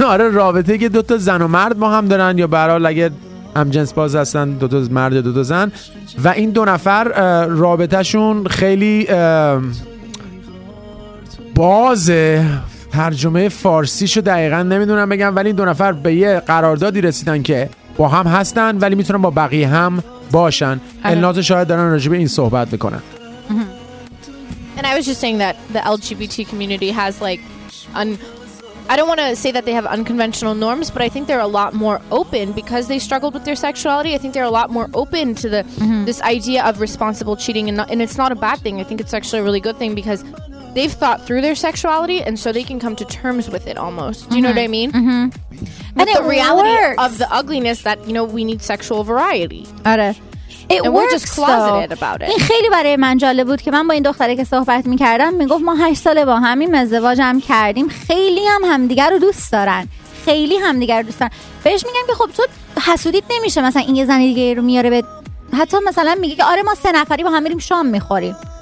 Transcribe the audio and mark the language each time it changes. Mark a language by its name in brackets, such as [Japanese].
[Persian] رابطه ای که دوتا زن و مرد با هم دارن، یا برحال اگه هم جنس باز هستن دوتا مرد دوتا زن، و این دو نفر رابطه شون خیلی بازه. ترجمه فارسی شو دقیقا نمیدونم بگم، ولی این دو نفر به یه قراردادی رسیدن که با هم هستن ولی میتونن با بقیه هم باشن. الناز شاید دارن راجع به این صحبت میکنن. [English] And I was just saying that the LGBT community has like I don't want to say that they have unconventional norms, but I think they're a lot more open because they struggled with their sexuality. I think they're a lot more open to the this idea of responsible cheating, and it's not a bad thing. I think it's actually a really good thing because they've thought through their sexuality, and so they can come to terms with it almost. Do you know what I mean? And the reality works. Of the ugliness that, you know, we need sexual variety. [Persian] آره. [English] It and we're just closeted about it. [Persian] این خیلی برای من جالب بود که من با این دختره که صحبت میکردم میگفت ما 8 سال با همیم، ازدواج هم کردیم، خیلی هم همدیگر رو دوست دارن. خیلی همدیگر رو دوست دارن. بهش میگم که خب تو حسودیت نمیشه مثلا این یه زنی دیگه رو میاره به، حتی مثلا میگه که آره ما 3 نفری با هم میریم شام میخوریم.